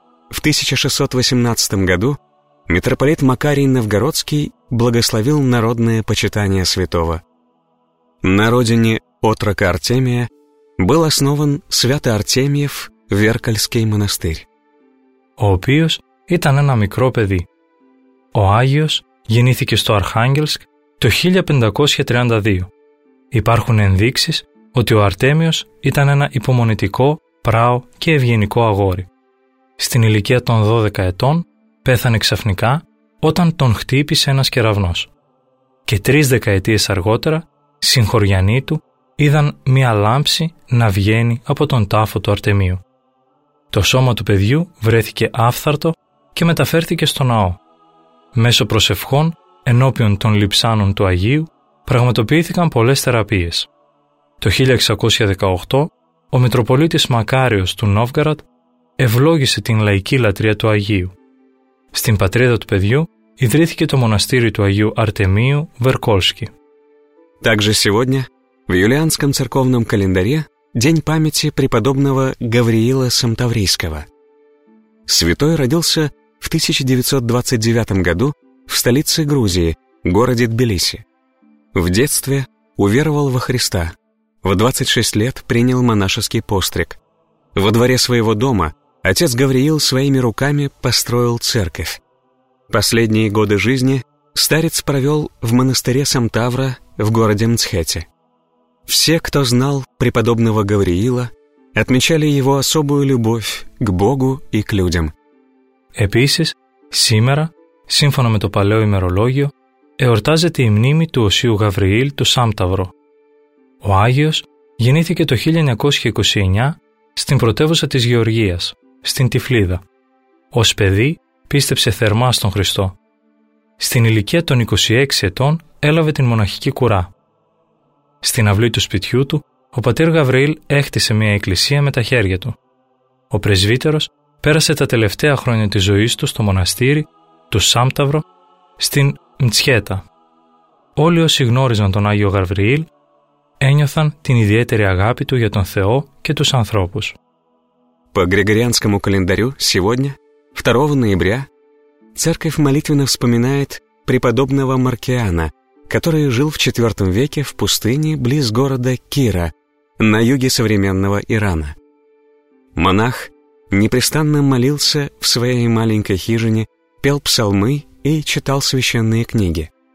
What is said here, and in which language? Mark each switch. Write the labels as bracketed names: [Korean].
[Russian] В 1618 году митрополит Макарий Новгородский благословил народное почитание святого. На родине отрока Артемия был основан Свято-Артемьев Веркальский монастырь. [Greek] Ο οποίος ήταν ένα μικρό παιδί. Ο Άγιος γεννήθηκε στο Αρχάγγελσκ το 1532. Υπάρχουν ενδείξεις ότι ο Αρτέμιος ήταν ένα υπομονητικό, πράο και ευγενικό αγόρι. Στην ηλικία των 12 ετών πέθανε ξαφνικά όταν τον χτύπησε ένας κεραυνός. Και 3 δεκαετίες αργότερα, συγχωριανοί του είδαν μία λάμψη να βγαίνει από τον τάφο του Αρτεμίου. Το σώμα του παιδιού βρέθηκε άφθαρτο και μεταφέρθηκε στο ναό. Μέσω προσευχών ενώπιον των λειψάνων του Αγίου πραγματοποιήθηκαν πολλές θεραπείες. Το 1618 ο Μητροπολίτης Μακάριος του Νόβγαραντ ευλόγησε την λαϊκή λατρεία του Αγίου. Στην πατρίδα του παιδιού ιδρύθηκε το μοναστήρι του Αγίου Αρτεμίου Βερκόλσκι. [Russian] Также сегодня в юлианском церковном календаре день памяти преподобного Гавриила Самтаврийского. Святой родился в 1929 году в столице Грузии, городе Тбилиси. В детстве уверовал во Христа. В 26 лет принял монашеский постриг. Во дворе своего дома отец Гавриил своими руками построил церковь. Последние годы жизни старец провел в монастыре Самтавра в городе Мцхете. Все, кто знал преподобного Гавриила, отмечали его особую любовь к Богу и к людям. [Greek] Επίσης, σήμερα, σύμφωνα με το παλαιό ημερολόγιο, εορτάζεται η μνήμη του Οσίου Γαβριήλ του Σάμταυρο. Ο Άγιος γεννήθηκε το 1929 στην πρωτεύουσα της Γεωργίας, στην Τυφλίδα. Ως παιδί πίστεψε θερμά στον Χριστό. Στην ηλικία των 26 ετών έλαβε την μοναχική κουρά. Στην αυλή του σπιτιού του, ο πατήρ Γαβριήλ έχτισε μια εκκλησία με τα χέρια του. Ο πρεσβύτερος πέρασε τα τελευταία χρόνια της ζωής του στο μοναστήρι του Σάμταυρο, στην Μτσχέτα. Όλοι όσοι γνώριζαν τον Άγιο Γαβριήλ ένιωθαν την ιδιαίτερη αγάπη του για τον Θεό και τους ανθρώπους. [Russian] По Григорианскому календарю сегодня, 2 ноября, церковь молитвенно вспоминает преподобного Маркиана, который жил в IV веке в пустыне близ города Кира, на юге современного Ирана. Монах непрестанно молился в своей маленькой хижине, пел псалмы и читал священные книги.